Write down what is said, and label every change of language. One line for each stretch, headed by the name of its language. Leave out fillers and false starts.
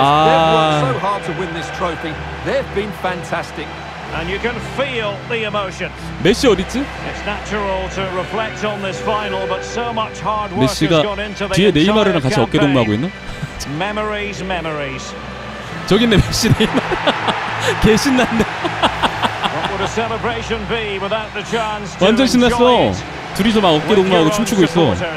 English: 아, they've worked so hard to win this trophy. They've been fantastic. And you can feel the emotion.
Korean: 메시 어딨지?
English: It's natural to reflect on this final, but so much hard work has gone into the
Korean: 뒤에 네이마르랑 같이 어깨 동무하고 있나?
English: Memories, memories.
Korean: 저기 있네 메시 네이마르. 개 신났네.
English: What would a celebration be without the chance?
Korean: 완전 신났어. 둘이서 막 어깨 동무하고 춤추고 있어.